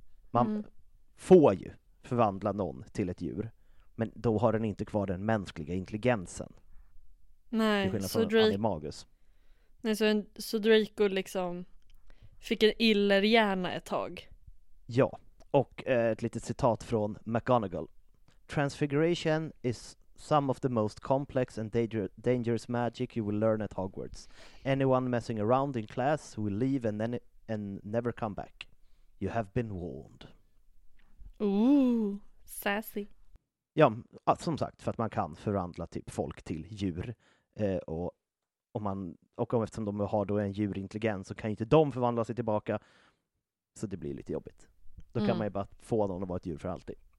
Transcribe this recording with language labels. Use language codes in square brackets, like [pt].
[sv] Man får ju förvandla någon till ett djur, men då har den inte kvar den mänskliga intelligensen. Nej, till skillnad från animagus. Nej, så Draco liksom fick en iller hjärna ett tag. Ja, och ett litet citat från McGonagall. [en] Transfiguration is some of the most complex and dangerous magic you will learn at Hogwarts. Anyone messing around in class will leave and then and never come back. You have been warned. Ooh, sassy. [sv] Ja, som sagt, för att man kan förvandla typ folk till djur och eftersom de har då en djurintelligens, så kan ju inte de förvandla sig tillbaka, så det blir lite jobbigt. Då kan man ju bara få någon att vara ett djur för alltid.